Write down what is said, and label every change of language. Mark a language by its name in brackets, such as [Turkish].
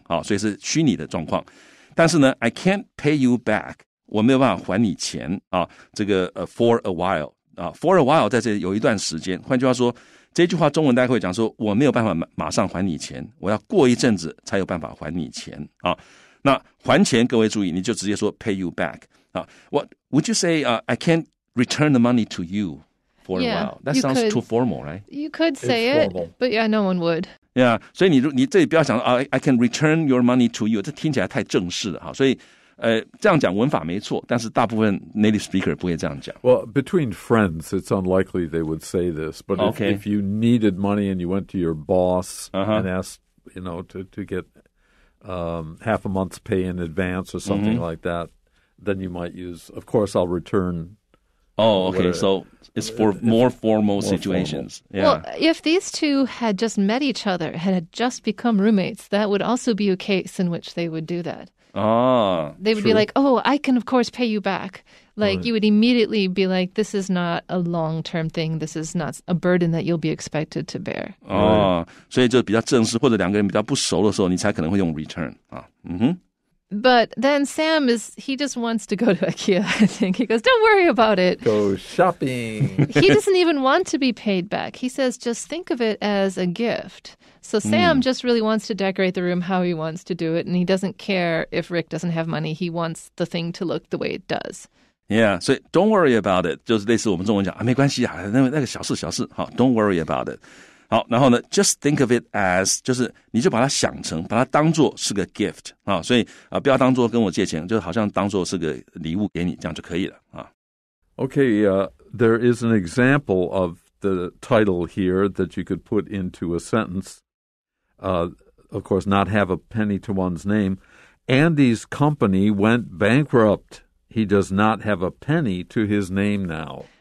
[Chinese] 好，所以是虚拟的状况。但是呢 ， [English] I can't pay you back. [Chinese] 我没有办法还你钱啊。这个 [English] for a while [Chinese] 啊 ，for a while 在这里有一段时间。换句话说，这句话中文大家会讲说，我没有办法马上还你钱，我要过一阵子才有办法还你钱啊。那还钱，各位注意，你就直接说 [English] pay you back. What would you say, I can't return the money to you for yeah, a while? That sounds too formal, right? You could say it, but yeah, no one would. [Chinese] Yeah, 所以 你这里不要讲、 [English] I can return your money to you, [Chinese] 这听起来太正式了。所以、这样讲文法没错，但是大部分 native speaker 不会这样讲。 [English] Well, between friends, it's unlikely they would say this, but if,、 okay. if you needed money and you went to your boss、 uh-huh. and asked, you know, to get... half a month's pay in advance or something、mm-hmm. like that, then you might use, of course, I'll return. Oh, okay. So it's for more formal situations. More formal. Yeah. Well, if these two had just met each other, had just become roommates, that would also be a case in which they would do that. Ah, they would、 true. Be like, oh, I can, of course, pay you back. Like、 right. you would immediately be like, this is not a long-term thing. This is not a burden that you'll be expected to bear. Oh,、right. [Chinese] 所以就比较正式或者两个人比较不熟的时候你才可能会用 return.、 [English] But then Sam is, he just wants to go to IKEA, I think. He goes, don't worry about it. Go shopping. He doesn't even want to be paid back. He says, just think of it as a gift. So Sam、mm. just really wants to decorate the room how he wants to do it. And he doesn't care if Rick doesn't have money. He wants the thing to look the way it does. Yeah, so don't worry about it. [Chinese] 就是类似我们中文讲、啊、没关系啊那个小事小事好 [English] don't worry about it. [Chinese] 好然后呢 [English] just think of it as, [Chinese] 就是你就把它想成把它当作是个 gift. 啊所以啊不要当作跟我借钱就好像当作是个礼物给你这样就可以了。啊、 [English] okay, there is an example of the title here that you could put into a sentence. Of course, not have a penny to one's name. Andy's company went bankrupt. He does not have a penny to his name now.